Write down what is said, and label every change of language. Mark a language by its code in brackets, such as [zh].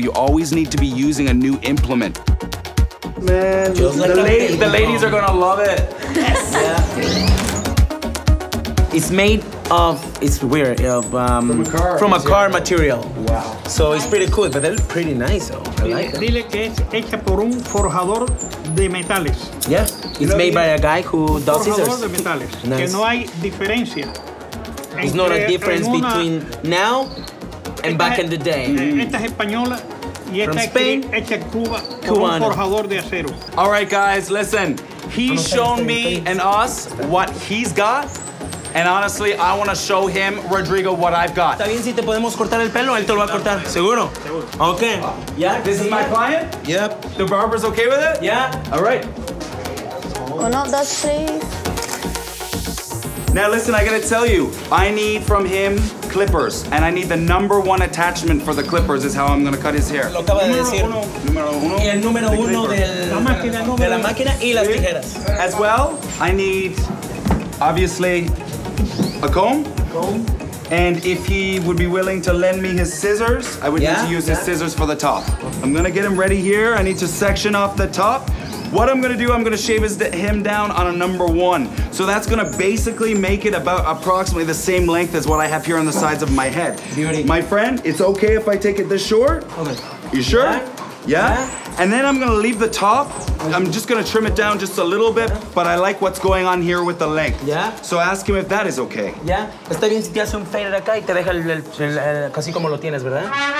[en] You always need to be using a new implement. Man, the ladies are gonna love it. Yes. Yeah. It's made of, it's weird, of from a car, from a car material. Wow. So it's pretty cool, but they're pretty nice though. I like it. [es] Dile que es hecha por un forjador de metales. [en] Yeah, it's made by a guy who does [es] forjador [en] scissors. [es] De metales. Nice. Que no hay diferencia. [en] It's not a difference between now and back in the day. [es] Esta es española y esta [en] from Spain, [es] hecha en Cuba, Cubana. Por un forjador de acero. [en] All right, guys, listen. He's shown me and us what he's got. And honestly, I want to show him, Rodrigo, what I've got. [es] ¿Está bien si te podemos cortar el pelo? Él te lo va a cortar. ¿Seguro? Seguro. [en] Okay. Yeah. This is my client? Yep. The barber's okay with it? Yeah. All right. [es] Uno, dos, tres. [en] Now listen, I got to tell you, I need from him clippers, and I need the number one attachment for the clippers is how I'm gonna cut his hair. [es] Lo acaba de decir. Número uno de la máquina y las tijeras. [en] As well, I need, obviously, a comb. And if he would be willing to lend me his scissors, I would need to use his scissors for the top. I'm gonna get him ready here. I need to section off the top. What I'm gonna do, I'm gonna shave him down on a number one. So that's gonna basically make it about approximately the same length as what I have here on the sides of my head. Beauty. My friend, it's okay if I take it this short? Okay. You sure? Yeah? And then I'm gonna leave the top. I'm just gonna trim it down just a little bit, but I like what's going on here with the length. Yeah. So ask him if that is okay. Yeah. [es] Está bien si te hace un fader acá y te deja el casi como lo tienes, ¿verdad?